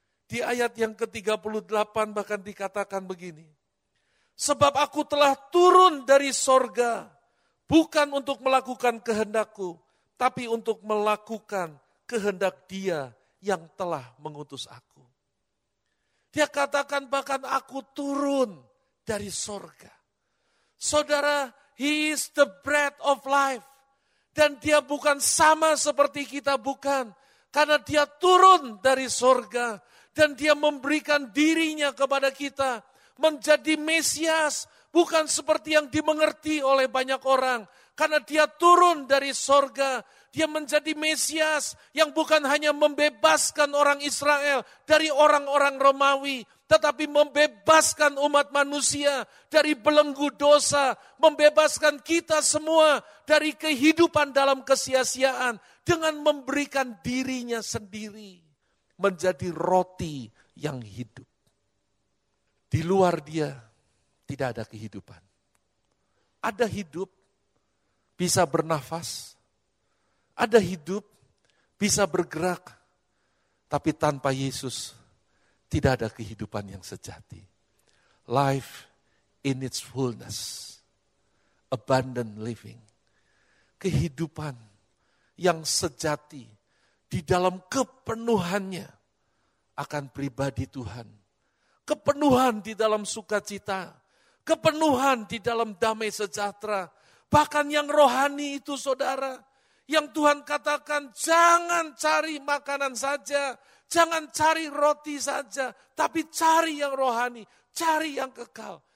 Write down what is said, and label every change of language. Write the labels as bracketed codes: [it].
[id] Di ayat yang ke-38 bahkan dikatakan begini, sebab aku telah turun dari sorga bukan untuk melakukan kehendakku, tapi untuk melakukan kehendak dia yang telah mengutus aku. Dia katakan bahkan aku turun dari sorga. Saudara, [en] he is the bread of life. [id] Dan dia bukan sama seperti kita, bukan. Karena dia turun dari sorga. Dan dia memberikan dirinya kepada kita. Menjadi Mesias. Bukan seperti yang dimengerti oleh banyak orang. Karena dia turun dari sorga. Dia menjadi Mesias yang bukan hanya membebaskan orang Israel dari orang-orang Romawi, tetapi membebaskan umat manusia dari belenggu dosa, membebaskan kita semua dari kehidupan dalam kesia-siaan dengan memberikan dirinya sendiri menjadi roti yang hidup. Di luar dia tidak ada kehidupan. Ada hidup, bisa bernafas. Ada hidup, bisa bergerak, tapi tanpa Yesus tidak ada kehidupan yang sejati. [en] Life in its fullness, abundant living. [id] Kehidupan yang sejati di dalam kepenuhannya akan pribadi Tuhan. Kepenuhan di dalam sukacita, kepenuhan di dalam damai sejahtera, bahkan yang rohani itu, saudara, yang Tuhan katakan, jangan cari makanan saja, jangan cari roti saja, tapi cari yang rohani, cari yang kekal.